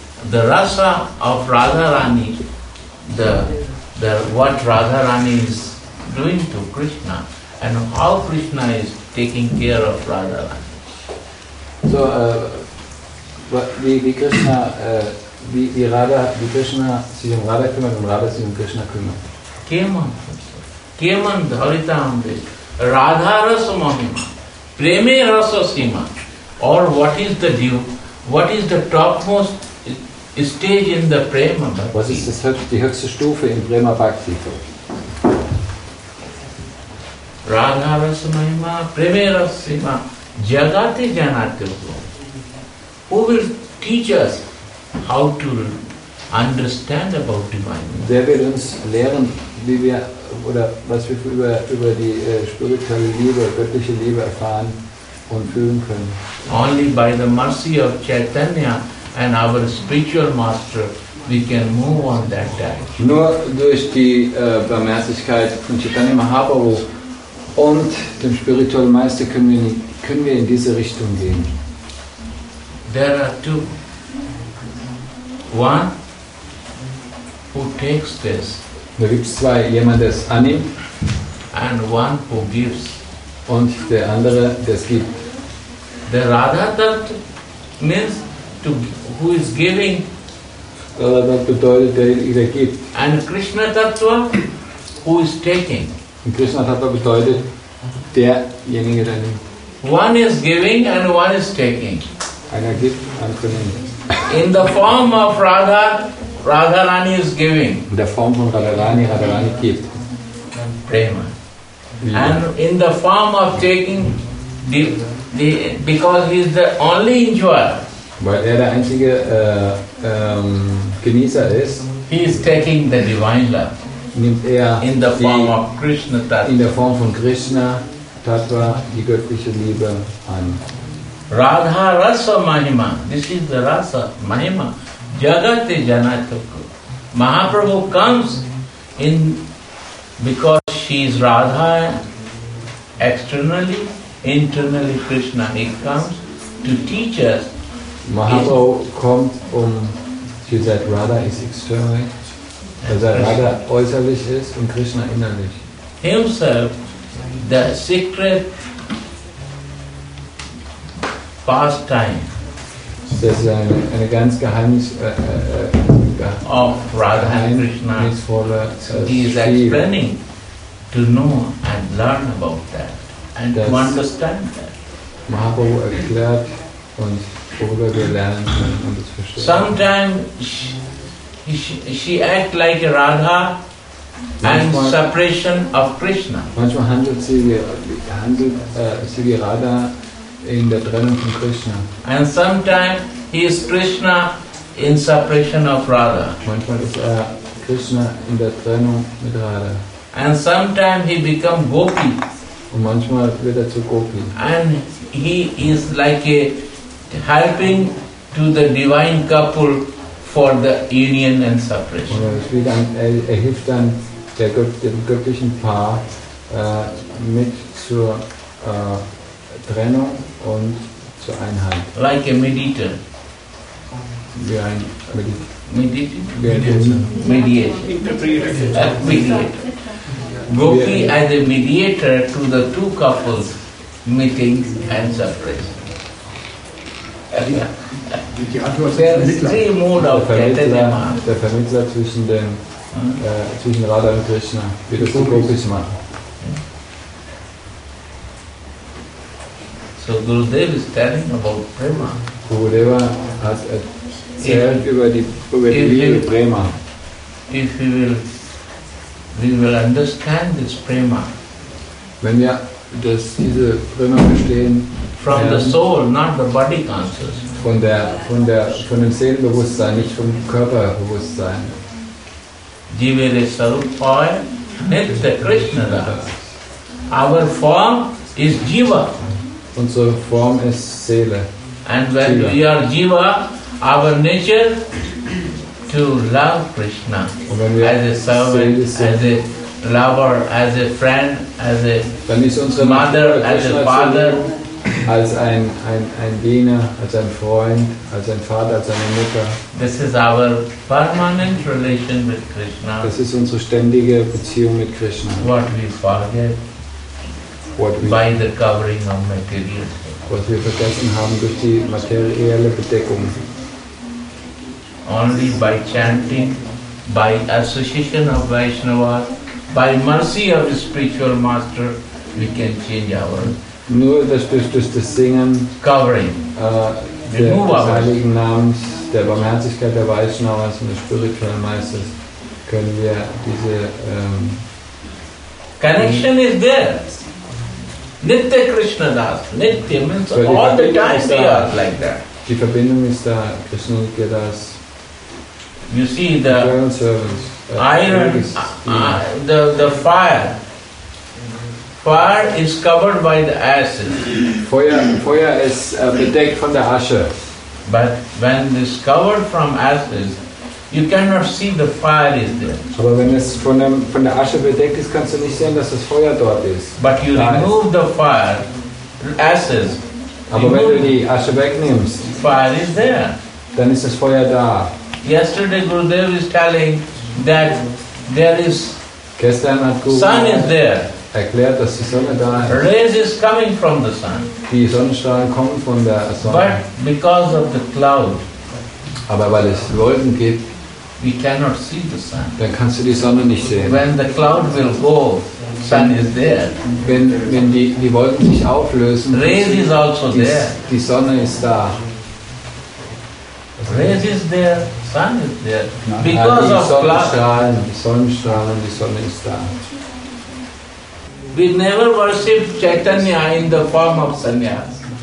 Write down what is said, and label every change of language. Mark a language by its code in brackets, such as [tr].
[en] The rasa of Radha Rani, the what Radha Rani is doing to Krishna, and how Krishna is taking care of Radha Rani. [de] So, wie Krishna, wie Radha, wie Krishna sich um Radha kümmert und Radha sich um Krishna kümmert. [bn] Keman, keman dharitamde, Radha rasa mahima, preme rasa sima, [en] or what is the due, what is the topmost stage in the prema bhakti? [de] Was ist das höchste, die höchste Stufe in prema bhakti? [bn] Radha rasa mahima, preme rasa sima. Jagati Janatyo, [en] who will teach us how to understand about divine? [de] Wer wird uns lehren, wie wir oder was wir über die spirituelle Liebe, göttliche Liebe erfahren und fühlen können? [en] Only by the mercy of Chaitanya and our spiritual master, we can move on that direction. [de] Nur durch die Barmherzigkeit von Chaitanya Mahaprabhu und dem spirituellen Meister können wir in diese Richtung gehen. [en] There are two. One who takes this. [de] Da gibt's zwei, jemand der es annimmt. [en] And one who gives. [de] Und der andere der es gibt. [en] The Radha Dutt means to who is giving. [de] Radha Dutt bedeutet der gibt. [en] And Krishna Dutt who is taking. [de] Und Krishna Dutt bedeutet derjenige der nimmt. [en] One is giving and one is taking. And I give and taking. In the form of Radha, Radharani is giving. In the form of Radharani, Radharani gives. Prema. Yeah. And in the form of taking, the because he is the only enjoyer. [de] Weil der einzige Genießer ist. [en] He is taking the divine love. [de] Nimmt [en] in the form of Krishna Tattva. [de] In der Form von Krishna. Tattva, die göttliche Liebe an. [en] Radha rasa mahima. This is the rasa mahima. [bn] Jagate janatoku. [en] Mahaprabhu comes in because she is Radha externally, internally Krishna. He comes to teach us. [de] Mahaprabhu kommt um [en] to that Radha is externally, that [de] Radha äußerlich ist und Krishna innerlich. [en] Himself, the secret pastime. [de] Das ist eine ganz [en] of Radha and Krishna. [de] Geheimnisvolle, [en] he is explaining to know and learn about that and to understand that. [de] Mahaprabhu erklärt und worüber wir lernen und das verstehen. [en] Sometimes she act like a Radha. [de] Manchmal, [en] and separation of Krishna. [de] Manchmal handelt sie wie Radha in der Trennung von Krishna. [en] And sometimes he is Krishna in separation of Radha. [de] Manchmal ist er Krishna in der Trennung mit Radha. [en] And sometimes he becomes Gopi. [de] Und manchmal wird er zu Gopi. [en] And he is like a helping to the divine couple for the union and separation. [de] Und er hilft dann dem göttlichen Paar mit zur Trennung und zur Einheit. [en] Like a mediator. [de] Wie ein [en] mediator. Gopi as a mediator to the two couples meeting and separation. [de] Der Vermittler zwischen den zwischen Radha und Krishna, wie das Gopis machen. [en] So Gurudev is telling about Prema. [de] Gurudev hat erzählt über die Liebe Prema. [en] If we will understand this Prema. [de] Wenn wir diese Prema verstehen. [en] From the soul, not the body consciousness. [de] Von dem Seelenbewusstsein, nicht vom Körperbewusstsein. [bn] Jivere Sarupaya Nitya Krishna Das. [en] Our form is Jiva. [de] Unsere Form ist Seele. [en] And when we are jiva, our nature to love Krishna as a servant, as a lover, as a friend, as a mother, as a father. [de] Als ein Diener, als ein Freund, als ein Vater, als eine Mutter. [en] This is our permanent relation with Krishna. [de] Das ist unsere ständige Beziehung mit Krishna. [en] What we forget by the covering of material. [de] Was wir vergessen haben durch die materielle Bedeckung. [en] Only by chanting, by association of Vaishnavas, by mercy of the spiritual master, we can change our. [de] Nur durch das Singen des Heiligen Namens, der Barmherzigkeit der Vaishnavas und des spirituellen Meisters können wir diese [en] Connection is there. Nitya Krishna Das. Nitya means all the time we are like that. [de] Die Verbindung ist da, Krishna Nitya Das. [en] You see the eternal servants, the fire. Fire is covered by the ashes. [de] Feuer ist bedeckt von der Asche. [en] But when it is covered from ashes, you cannot see the fire is there. [de] Aber wenn es von der Asche bedeckt ist, kannst du nicht sehen, dass das Feuer dort ist. [en] But you remove the fire, ashes. [de] Aber wenn du die Asche wegnimmst, [en] fire is there. [de] Dann ist das Feuer da. [en] Yesterday Gurudev is telling that there is [de] gestern hat Gurudev [en] sun is there. [de] Erklärt, dass die Sonne da ist. [en] Rays is coming from the sun. [de] Die Sonnenstrahlen kommen von der Sonne. [en] But because of the cloud, [de] aber weil es Wolken gibt, [en] we cannot see the sun. [de] Dann kannst du die Sonne nicht sehen. [en] When the cloud will go, sun is there. [de] Wenn die Wolken sich auflösen, [en] Rays is also there. [de] Die Sonne ist da. [en] Rays is there. Sun is there. Because of [de] Sonnenstrahlen, cloud. Sonnenstrahlen, die Sonne ist da. [en] We never worship Chaitanya in the form of sannyas.